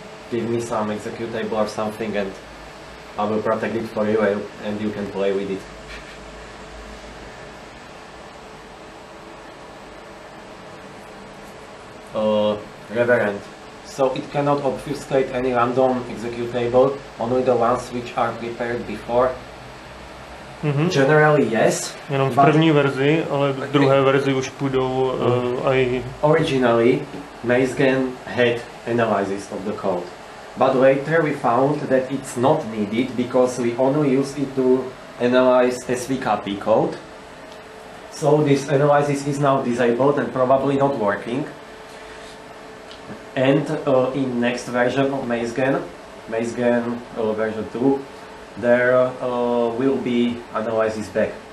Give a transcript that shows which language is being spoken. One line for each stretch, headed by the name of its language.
English: Give me some executable or something and I will protect it for you and you can play with it. Reverend, so it cannot obfuscate any random executable, only the ones which are prepared before? Mm-hmm. Generally yes.
Czech: Jenom v první verzi, ale v druhé verzi už půjdou i...
English: Originally, MazeGen had analysis of the code. But later we found that it's not needed because we only use it to analyze SVKP code. So this analysis is now disabled and probably not working. And in next version of MazeGen version 2, there will be analysis back.